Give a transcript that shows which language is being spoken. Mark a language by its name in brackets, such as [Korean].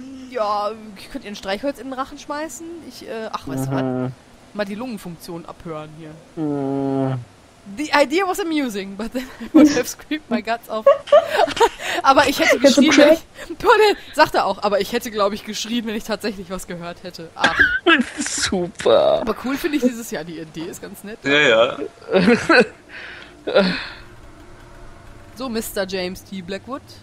[German] ja, ich könnte ihr ein Streichholz in den Rachen schmeißen. Ich, weißt du was? Mal die Lungenfunktion abhören hier. [English] The idea was amusing, but then I would have screamed my guts off. [German] Aber ich hätte geschrien, wenn ich... sagt er auch, aber ich hätte, glaube ich, geschrien, wenn ich tatsächlich was gehört hätte. Ach. Super. Aber cool finde ich dieses Jahr, die Idee ist ganz nett. Ja, ja. So, Mr. James T. Blackwood.